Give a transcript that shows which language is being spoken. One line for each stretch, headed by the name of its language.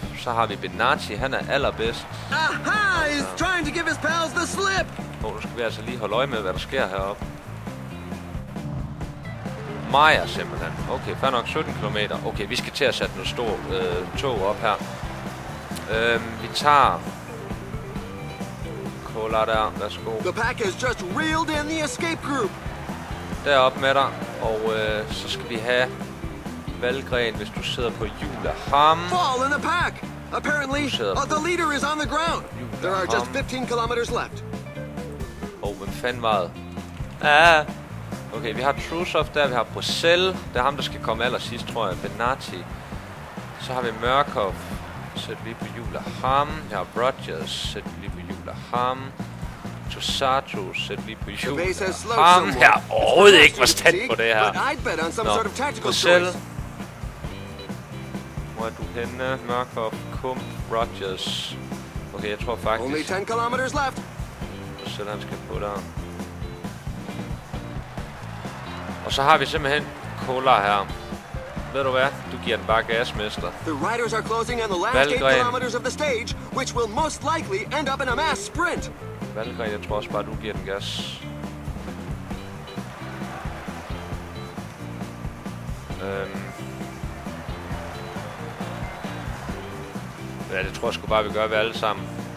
Danish: Så har vi Benacci, han er allerbedst.
English: Aha, he's trying to give his pals the slip.
Danish: Oh, nu skal vi altså lige holde øje med, hvad der sker herop. Maja simpelthen. Okay, fair nok 17 km. Okay, vi skal til at sætte noget stort tog op her. Vi tager Cola der, værsgo.
English: The pack has just reeled in the escape group.
Danish: Derop med dig, og så skal vi have Valgren, hvis du sidder på hjul af ham.
English: Fall in the pack. Apparently, the leader is on the ground. There are just 15 kilometers left.
Danish: Oh, hvem fanden var det? Ah. Okay, vi har Trusoff der, vi har Brussel. Det er ham, der skal komme allersidst, tror jeg. Benatti. Så har vi Murkoff. Sæt lige på hjul af ham. Jeg har Rodgers. Sæt lige på hjul af ham. Tosato, sæt lige på hjul af ham. Jeg har overhovedet ikke forstand på det her. Nå, Brussel. Hvor er du henne? Murkoff, Kump, Rodgers. Okay, jeg tror faktisk...
English: Only 10 kilometers left.
Danish: Brussel, han skal på der. Og så har vi simpelthen Cola her. Ved du hvad? Du giver den bare gas, mester.
English: The riders are closing on the last 8 kilometers of the stage, which will most likely end up in a mass sprint.
Danish: Valgren, jeg tror også bare, du giver den gas. Ja, det tror jeg sgu bare, vi gør ved alle sammen.